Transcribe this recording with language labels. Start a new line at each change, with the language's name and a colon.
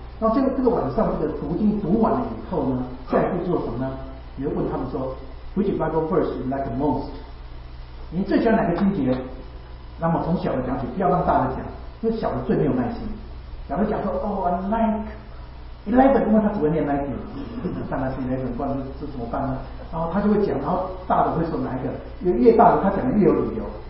Chinese: 然后这个晚上，这个读经读完了以后呢，下一步做什么呢？你就问他们说
English: ，Which Bible verse you like most？
Chinese: 你最喜欢哪个经节？那么从小的讲起，不要让大的讲，因为小的最没有耐心。小的讲说，
English: I like 11，
Chinese: 因为他只会念 19， 当然是 11， 不然是怎么办呢？然后他就会讲，然后大的会说哪一个？越大的他讲的越有理由。